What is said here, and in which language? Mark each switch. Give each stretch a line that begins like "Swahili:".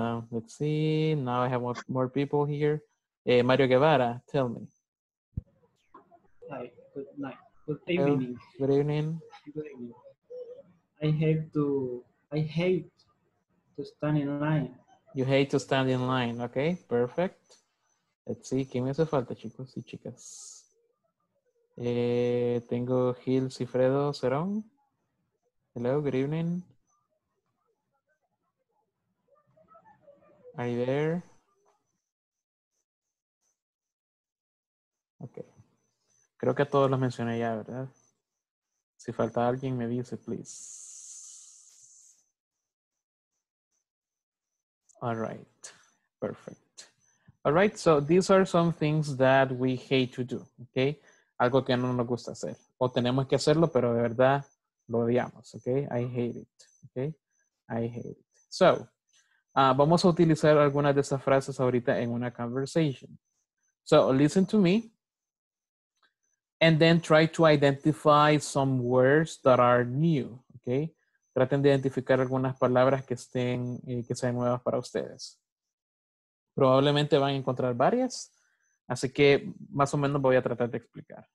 English: Let's see, now I have more people here. Mario Guevara, tell me. Hi, good night. Good evening. Hello. Good evening. Good evening. I hate to stand in line. You hate to stand in line, okay, perfect. Let's see,
Spanish: ¿quién me hace falta, chicos y chicas? Tengo
English: Gil Cifredo Cerón. Hello, good evening. Are you there? Okay.
Spanish: Creo que a todos los mencioné ya, ¿verdad? Si falta alguien, me dice,
English: please. All right. Perfect. All right. So these are some things that we hate to do.
Spanish: Okay. Algo que no nos gusta hacer. O tenemos que hacerlo, pero de verdad lo odiamos.
English: Okay. I hate it. Okay. I hate it. So.
Spanish: Vamos a utilizar algunas de esas frases ahorita en una conversation.
English: So, listen to me. And then try to identify some words that are new. Okay?
Spanish: Traten de identificar algunas palabras que sean nuevas para ustedes. probablemente van a encontrar varias. Así que más o menos voy a tratar de explicar.